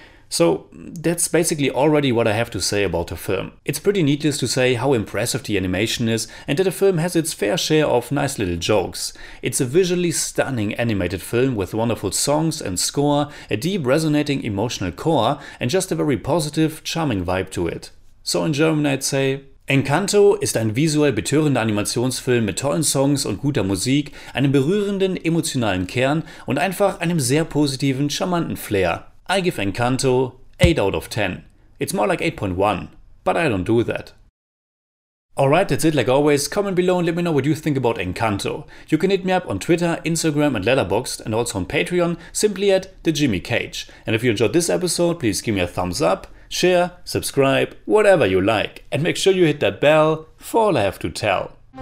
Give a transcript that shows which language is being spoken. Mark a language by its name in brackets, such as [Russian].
[English] So that's basically already what I have to say about the film. It's pretty needless to say how impressive the animation is and that the film has its fair share of nice little jokes. It's a visually stunning animated film with wonderful songs and score, a deep resonating emotional core and just a very positive, charming vibe to it. So in German I'd say, [German] Encanto ist ein visuell betörender Animationsfilm mit tollen Songs und guter Musik, einem berührenden emotionalen Kern und einfach einem sehr positiven, charmanten Flair. [English] I give Encanto 8 out of 10. It's more like 8.1, but I don't do that. Alright, that's it. Like always, comment below and let me know what you think about Encanto. You can hit me up on Twitter, Instagram and Letterboxd, and also on Patreon, simply at The Jimmy Cage. And if you enjoyed this episode, please give me a thumbs up, share, subscribe, whatever you like. And make sure you hit that bell for all I have to tell.